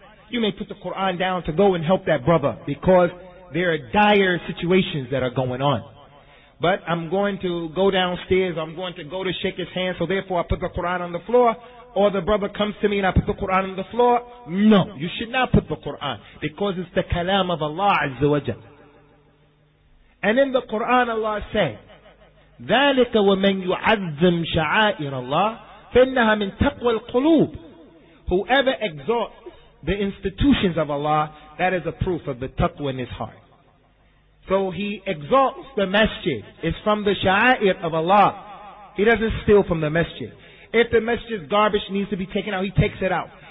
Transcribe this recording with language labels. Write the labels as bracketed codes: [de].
[en] You may put the Quran down to go and help that brother because there are dire situations that are going on. But I'm going to go downstairs, I'm going to go to shake his hand, so therefore I put the Quran on the floor. Or the brother comes to me and I put the Quran on the floor. No, you should not put the Quran because it's the kalam of Allah Azza wa Jal. And in the Quran Allah said, [ar] ذَلِكَ وَمَنْ يُعَذِّمْ شَعَائِرَ اللَّهِ فَإِنَّهَا مِنْ تَقْوَى الْقُلُوبِ. [en] Whoever exalts the institutions of Allah, that is a proof of the taqwa in his heart. So he exalts the masjid. It's from the sha'air of Allah. He doesn't steal from the masjid. If the masjid's garbage needs to be taken out, he takes it out.